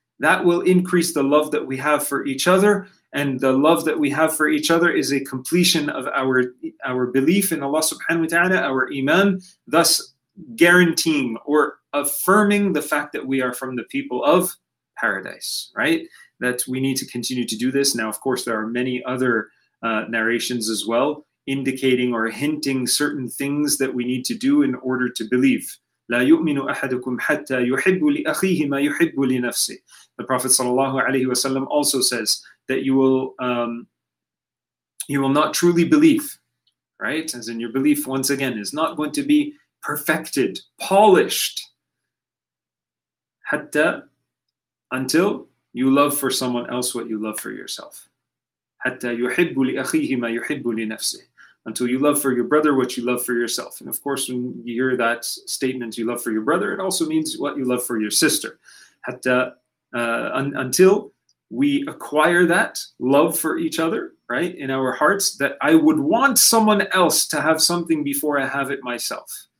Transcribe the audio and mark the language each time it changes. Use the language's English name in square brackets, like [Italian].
[English] That will increase the love that we have for each other, and the love that we have for each other is a completion of our belief in Allah subhanahu wa ta'ala, our iman, thus guaranteeing or affirming the fact that we are from the people of paradise, right? That we need to continue to do this. Now, of course, there are many other narrations as well, indicating or hinting certain things that we need to do in order to believe. [Arabic] لا يؤمن أحدكم حتى يحب لأخيه ما يحب لنفسه. [English] The Prophet sallallahu alaihi wasallam also says that you will not truly believe, right? As in your belief, once again, is not going to be perfected, polished. حتى, until you love for someone else what you love for yourself. [Arabic] حتى يحب لأخيه ما يحب لنفسه. [English] Until you love for your brother what you love for yourself. And of course, when you hear that statement, you love for your brother, it also means what you love for your sister. حتى, until we acquire that love for each other, right, in our hearts, that I would want someone else to have something before I have it myself.